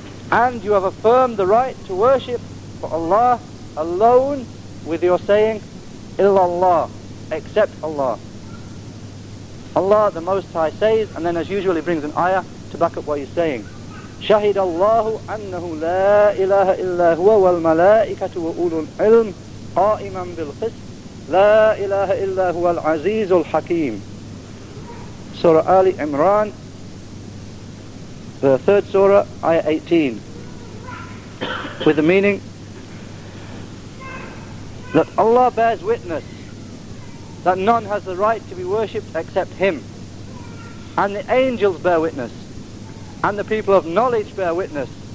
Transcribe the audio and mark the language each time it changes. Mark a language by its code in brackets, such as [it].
[en] And you have affirmed the right to worship for Allah alone with your saying Illallah, except Allah. Allah the Most High says, and then as usual he brings an ayah to back up what he's saying. [ar] شهد الله أنه لا إله إلا هو والملائكة وأولو العلم قائما بالقسط لا إله إلا هو العزيز الحكيم. [en] Surah Ali Imran, the third surah, ayah 18, with the meaning that Allah bears witness that none has the right to be worshipped except Him, and the angels bear witness, and the people of knowledge bear witness.